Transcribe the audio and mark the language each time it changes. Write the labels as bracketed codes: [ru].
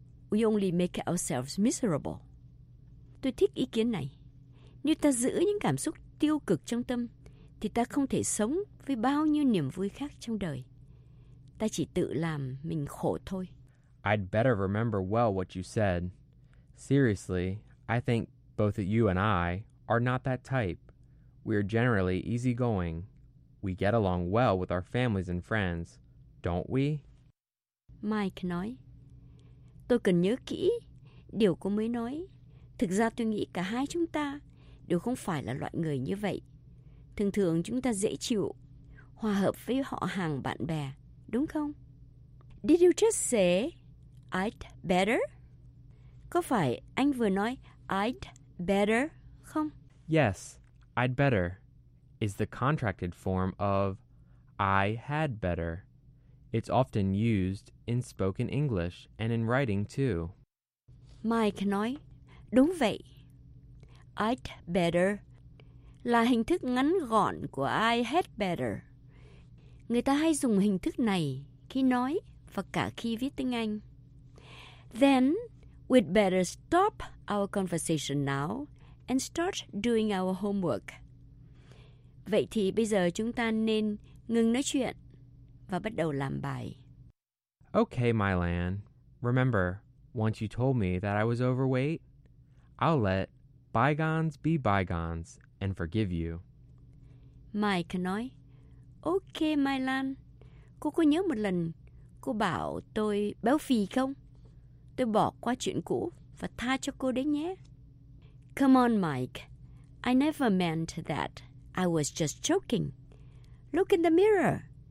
[en] We only make ourselves miserable. [vi] Tôi thích ý kiến này. Nếu ta giữ những cảm xúc tiêu cực trong tâm, thì ta không thể sống với bao nhiêu niềm vui khác trong đời. Ta chỉ tự làm mình khổ thôi. [en] I'd better remember well what you said. Seriously, I think both you and I are not that type. We are generally easygoing. We get along well with our families and friends. Don't we? [vi] Mike nói, tôi cần nhớ kỹ điều cô mới nói. Thực ra tôi nghĩ cả hai chúng ta đều không phải là loại người như vậy. Thường thường chúng ta dễ chịu, hòa hợp với họ hàng bạn bè, đúng không? [en] Did you just say I'd better? [vi] Có phải anh vừa nói I'd better không? [en] Yes, I'd better is the contracted form of I had better. It's often used in spoken English and in writing, too. [vi] Mike nói, đúng vậy. [en] I'd better [vi] là hình thức ngắn gọn của [en] I had better. [vi] Người ta hay dùng hình thức này khi nói và cả khi viết tiếng Anh. [en] Then, we'd better stop our conversation now and start doing our homework. [vi] Vậy thì bây giờ chúng ta nên ngừng nói chuyện và bắt đầu làm bài. [en] Okay, Mylan. Remember, once you told me that I was overweight, I'll let bygones be bygones and forgive you. [vi] Mike nói, OK, Mai Lan, cô có nhớ một lần cô bảo tôi béo phì không? Tôi bỏ qua chuyện cũ và tha cho cô đấy nhé. [en] Come on, Mike. I never meant that. I was just joking. Look in the mirror.